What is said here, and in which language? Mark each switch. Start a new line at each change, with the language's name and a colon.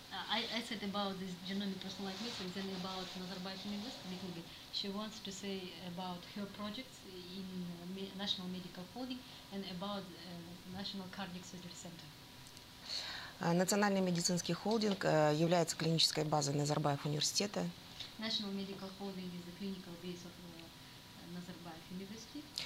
English: I said about this genomic personalized medicine, then about Nazarbayev University. She wants to say about her projects in National Medical Holding and about National Cardiac Surgery Center.
Russian: Национальный медицинский холдинг является клинической базой Назарбаев университета.
English: National Medical Holding is the clinical base of Nazarbayev University.